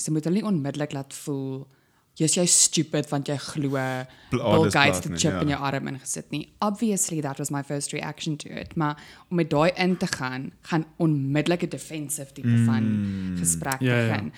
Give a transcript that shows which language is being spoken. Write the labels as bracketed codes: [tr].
[af] So moet hulle nie onmiddellik laat voel, jy is stupid, want jy glo, Bill Gates die chip in jou arm ingesit nie. [en] Obviously, that was my first reaction to it. [af] Maar om met daai in te gaan, gaan onmiddellik een defensive type van gesprek begin.